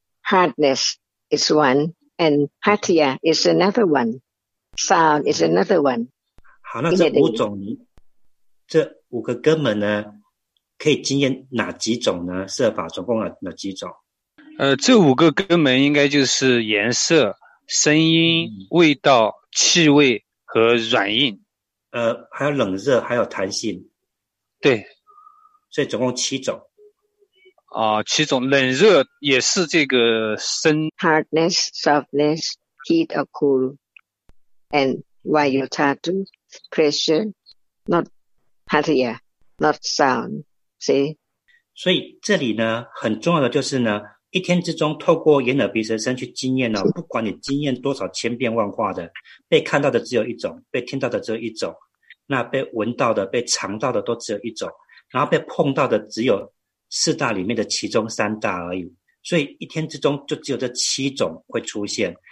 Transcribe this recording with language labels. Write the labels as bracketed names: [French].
[English] Hardness is one, and hatya is another one. Sound is another one. [Chinese] 好，那这五种，这五个根本呢，可以经验哪几种呢？色法总共有哪几种？这五个根本应该就是颜色、声音、味道、气味和软硬，还有冷热，还有弹性，对，所以总共七种。七种，冷热也是这个生 [English] hardness, softness, heat or cool, and why you touch pressure, not hatya, not sound. See, [Chinese] 所以这里呢，很重要的就是呢，一天之中透过眼耳鼻舌身去经验呢，不管你经验多少千变万化的，被看到的只有一种，被听到的只有一种，那被闻到的、被尝到的都只有一种。然后被碰到的只有四大里面的其中三大而已，所以一天之中就只有这七种会出现。